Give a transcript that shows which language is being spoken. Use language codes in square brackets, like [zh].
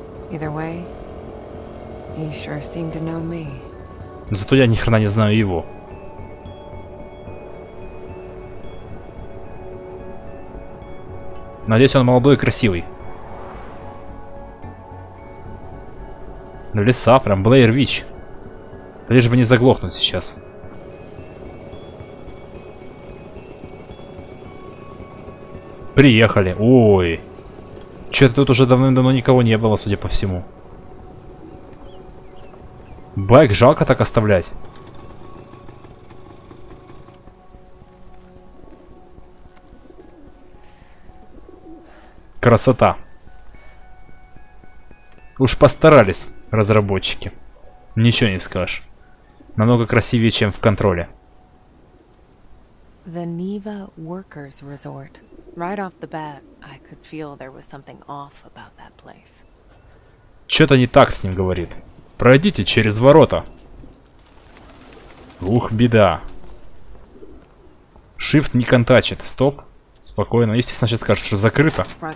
[en] Either way, he sure seemed to know me. [ru] Зато я ни хрена не знаю его. Надеюсь, он молодой и красивый. На леса, прям Блэйр Вич. Лишь бы не заглохнуть сейчас. Приехали. Ой. Чё-то тут уже давным-давно никого не было, судя по всему. Байк жалко так оставлять. Красота. Уж постарались разработчики. Ничего не скажешь. Намного красивее, чем в контроле. [en] The Neva Workers Resort. Right off the bat, I could feel there was something off about that place. [ru] Что-то не так с ним говорит. Пройдите через ворота. Ух, беда. Shift не контачит. Стоп. Спокойно. Естественно, сейчас скажут, что закрыто.